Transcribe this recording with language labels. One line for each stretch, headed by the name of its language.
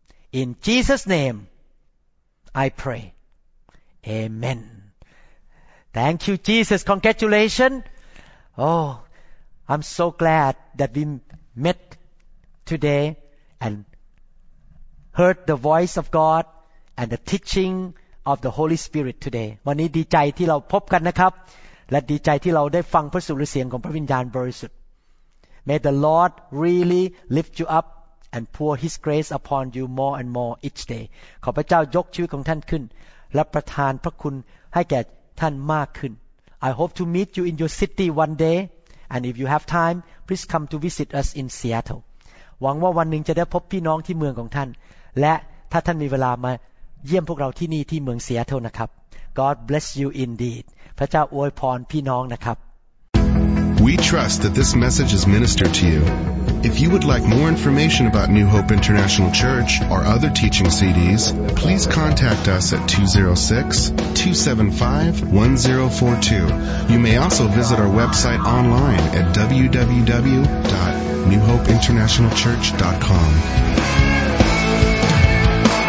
English: In Jesus' name, I pray. Amen. Thank you, Jesus. Congratulations. Oh, I'm so glad that we met today and heard the voice of God. And the teaching of the Holy Spirit today.
Thai: วันนี้ดีใจที่เราพบกันนะครับและดีใจที่เราได้ฟังพระสุรเสียงของพระวิญญาณบริสุทธิ์
English: May the Lord really lift you up and pour His grace upon you more and more each day.
Thai: ขอพระเจ้ายกชีวิตของท่านขึ้นและประทานพระคุณให้แก่ท่านมากขึ้น
English: I hope to meet you in your city one day. And if you have time, please come to visit us in Seattle.
Thai: หวังว่าวันหนึ่งจะได้พบพี่น้องที่เมืองของท่านและถ้าท่านมีเวลามาเยี่ยมพวกเราที่นี่ที่เมืองเซียเตินะครับ
English: God bless you indeed
Thai: พระเจ้าอวยพรพี่น้องนะครับ
English: We trust that this message is ministered to you If you would like more information about New Hope International Church or other teaching CDs, please contact us at 206-275-1042. You may also visit our website online at www.newhopeinternationalchurch.com.